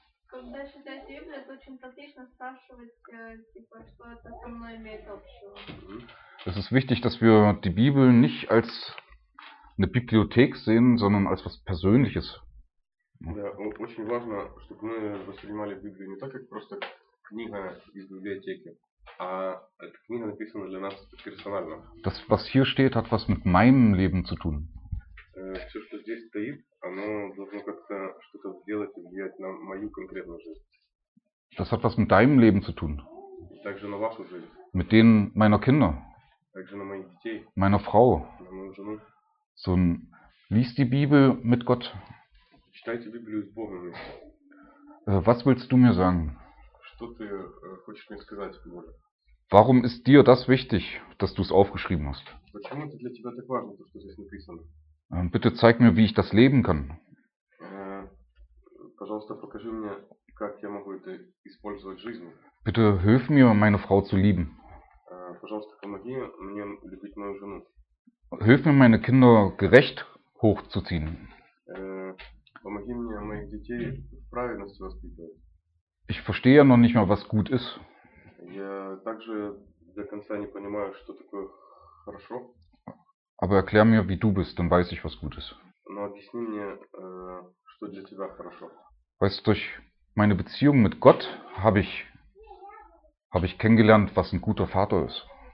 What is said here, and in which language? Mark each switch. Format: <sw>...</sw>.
<ru>Когда читать Библию, это очень практично спрашивать, что это со мной имеет общего.</ru> <de>Es ist wichtig, dass wir die Bibel nicht als eine Bibliothek sehen, sondern als was Persönliches.</de> <ru>Да, очень важно, чтобы мы воспринимали Библию не так, как просто книга из библиотеки, а эта книга написана для нас персонально.</ru> <de>Das, was hier steht, hat was mit meinem Leben zu tun.</de> <ru>Все, что здесь стоит, оно должно как-то что-то сделать и влиять на мою конкретную жизнь.</ru> <de>Das hat was mit deinem Leben zu tun.</de> <ru>Также на вашу жизнь.</ru> <de>Mit denen meiner Kinder.</de> <ru>Также на моих детей.</ru> <de>Meiner Frau.</de> <ru>На мою жену.</ru> <de>So, lies die Bibel mit Gott.</de> <ru>Читайте Библию с Богом.</ru> <de>Was willst du mir sagen?</de> <ru>Что ты хочешь мне сказать, Боже?</ru> <de>Warum ist dir das wichtig, dass du es aufgeschrieben hast?</de> <ru>Почему это для тебя так важно, то, что здесь написано?</ru> <de>Bitte zeig mir, wie ich das leben kann.</de> <ru>Пожалуйста, покажи мне, как я могу это использовать в жизни.</ru> <de>Bitte hilf mir, meine Frau zu lieben.</de> <ru>Пожалуйста, помоги мне любить мою жену.</ru> <de>Hilf mir, meine Kinder gerecht hochzuziehen.</de> <ru>Помоги мне моих детей в правильности воспитывать.</ru> <de>Ich verstehe noch nicht mal, was gut ist.</de> <ru>Я также до конца не понимаю, что такое хорошо.</ru> <de>Aber erklär mir, wie du bist, dann weiß ich, was gut ist.</de> <ru>Но объясни мне, что для тебя хорошо.</ru> <de>Weißt du, durch meine Beziehung mit Gott habe ich kennengelernt, was ein guter Vater ist.</de>